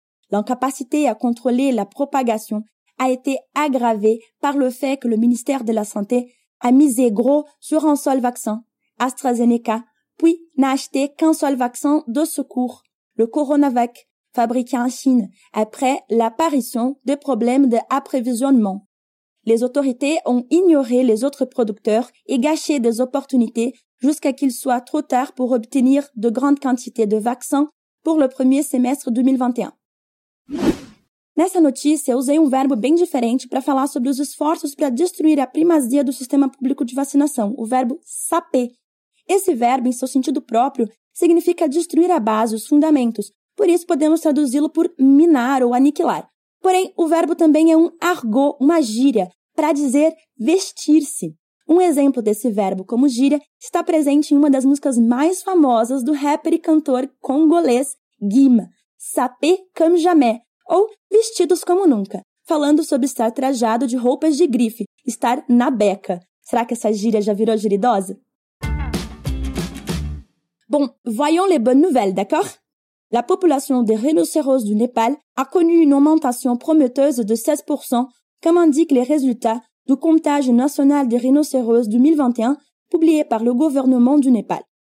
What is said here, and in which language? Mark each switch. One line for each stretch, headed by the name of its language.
French: L'incapacité à contrôler la propagation a été aggravée par le fait que le ministère de la Santé a misé gros sur un seul vaccin, AstraZeneca, puis n'a acheté qu'un seul vaccin de secours, le CoronaVac, fabriqué en Chine, après l'apparition de problèmes d'approvisionnement. Les autorités ont ignoré les autres producteurs et gâché des opportunités jusqu'à qu'il soit trop tard pour obtenir de grandes quantités de vaccins pour le premier semestre 2021.
Portuguese: Nessa notícia, eu usei verbo bem diferente para falar sobre os esforços para destruir a primazia do sistema público de vacinação, o verbo saper. Esse verbo, em seu sentido próprio, significa destruir a base, os fundamentos. Por isso, podemos traduzi-lo por minar ou aniquilar. Porém, o verbo também é um argot, uma gíria, para dizer vestir-se. Um exemplo desse verbo como gíria está presente em uma das músicas mais famosas do rapper e cantor congolês Guima, Sapé Comme Jamais, ou Vestidos Como Nunca, falando sobre estar trajado de roupas de grife, estar na beca. Será que essa gíria já virou giridosa?
French: Bom, voyons les bonnes nouvelles, d'accord? La population des rhinocéros du Népal a connu une augmentation prometteuse de 16%, comme indiquent les résultats du comptage national des rhinocéros 2021 publié par le gouvernement du Népal.